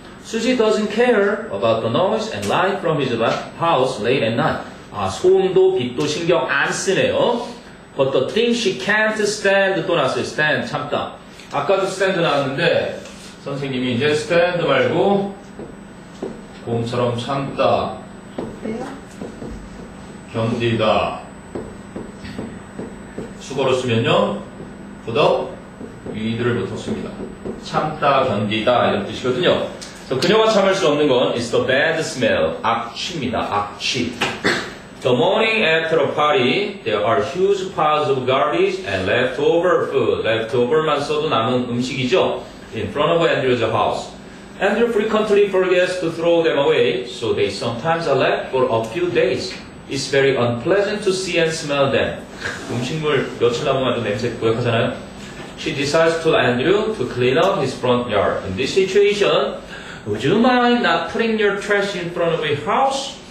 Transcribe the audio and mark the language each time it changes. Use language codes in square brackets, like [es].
[en] Suji doesn't care about the noise and light from his house late at night. [ko] 소음도 빛도 신경 안 쓰네요. [en] But the thing she can't stand [ko] 또 나왔어요. Stand 참다. 아까도 stand 나왔는데 선생님이 이제 stand 말고 곰처럼 참다. 견디다. 수거로 쓰면요. 부덕 위드를 붙었습니다. 참다, 견디다 이런 뜻이거든요. 그래서 그녀가 참을 수 없는 건 [en] It's the bad smell. [ko] 악취입니다. 악취. [en] The morning after a party, there are huge piles of garbage and leftover food. [ko] Leftover만 써도 남은 음식이죠. [en] In front of Andrew's house. Andrew frequently forgets to throw them away, so they sometimes are left for a few days. It's very unpleasant to see and smell them. [ko] 음식물 며칠 남으면 아주 냄새 고약하잖아요. [en] She decides to Andrew to clean up his front yard. In this situation, would you mind not putting your trash in front of his house?